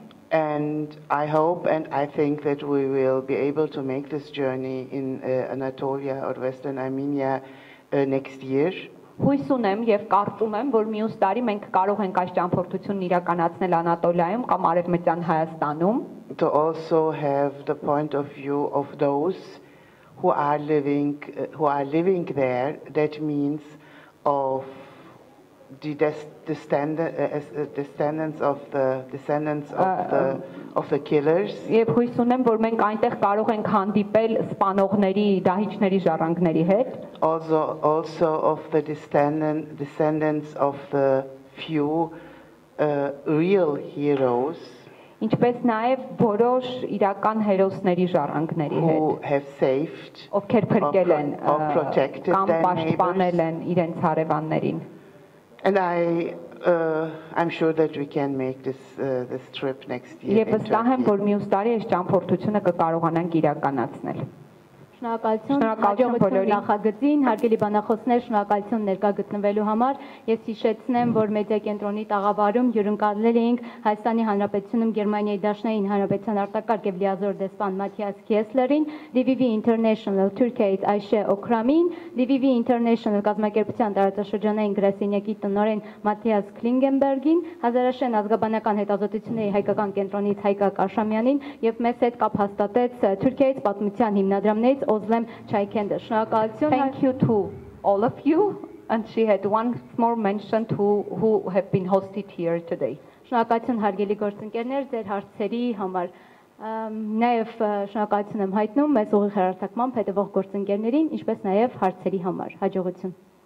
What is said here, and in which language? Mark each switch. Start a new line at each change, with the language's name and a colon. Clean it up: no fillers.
English: And I hope and I think that we will be able to make this journey in Anatolia or Western Armenia next year.
Armenian: Հույս ունեմ եւ կարծում եմ, որ մյուս տարի մենք կարող ենք այս ճամփորդությունն իրականացնել Անատոլիայում կամ Արևմտյան Հայաստանում.
English: To also have the point of view of those who are living there, that means of the descendants of the killers.
Armenian: Եվ հույս ունեմ, որ մենք այնտեղ կարող ենք հանդիպել սպանողների, դահիճների ժառանգների հետ.
English: Also of the descendants of the few real heroes.
Armenian: Ինչպես նաև որոշ իրական հերոսների ժառանգների հետ.
English: Who have saved.
Armenian: Ովքեր փրկել են,
English: protected
Armenian: կամ պաշտպանել են իրենց հարևաններին.
English: And I'm sure that we can make this trip next year.
Armenian: Եվ վստահ եմ, որ մյուս տարի այս ճամփորդությունը կկարողանանք իրականացնել։ Շնորհակալություն բոլորի նախագծին, հարգելի բանախոսներ, շնորհակալություն ներկա գտնվելու համար։ Ես հիշեցնեմ, որ մեդիա կենտրոնի տաղավարում հյուրընկալել էինք Հայաստանի Հանրապետությունում Գերմանիայի Դաշնային Հանրապետության արտակարգ և լիազոր դեսպան Մաթիաս Քեսլերին, DVV International Turkey-ի Այշե Օքրամին, DVV International կազմակերպության տարածաշրջանային գրասենյակի տնօրեն Մաթիաս Քլինգենբերգին, Հազարաշեն ազգաբանական հետազոտությունների հայկական կենտրոնից Հայկա Կաշամյանին եւ մեզ հետ կապ հաստատեց Թուրքիայից պատմության հիմնադրամ Ozlem Çaykender.
English: Thank you to all of you. and she had one more mentioned who have been hosted here today.
Armenian: Շնորհակալություն հարգելի գործընկերներ ձեր հարցերի համար։ Նաև շնորհակալություն եմ հայտնում մեզ ուղիղ հեռարձակմամբ հետևող գործընկերներին, ինչպես նաև հարցերի համար։ Հաջողություն։